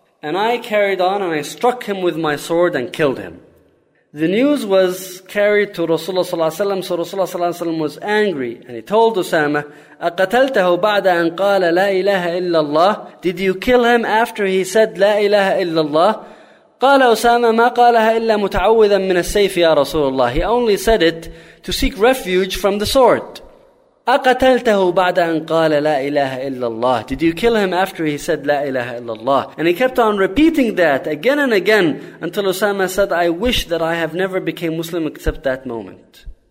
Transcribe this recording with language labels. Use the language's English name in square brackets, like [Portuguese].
[English] And I carried on and I struck him with my sword and killed him. The news was carried to Rasulullah sallallahu alaihi wasallam, so Rasulullah sallallahu alaihi wasallam was angry, and he told Usama, [Arabic] أَقَتَلْتَهُ بَعْدَ أَنْ قَالَ لَا إِلَهَ إِلَّا اللَّهِ. [English] Did you kill him after he said, [Arabic] لَا إِلَهَ إِلَّا اللَّهِ? قَالَ Usama, مَا قَالَهَا إِلَّا مُتَعُوِّذًا مِنَ السَّيْفِ يَا رَسُولَ اللَّهِ. [English] He only said it to seek refuge from the sword. [Arabic] أَقَتَلْتَهُ بَعْدَ أَنْ قَالَ لَا إِلَهَ إِلَّا اللَّهِ. [English] Did you kill him after he said, [Arabic] لَا إِلَهَ إِلَّا اللَّهِ? [English] And he kept on repeating that again and again until Usama said, I wish that I have never became Muslim except that moment.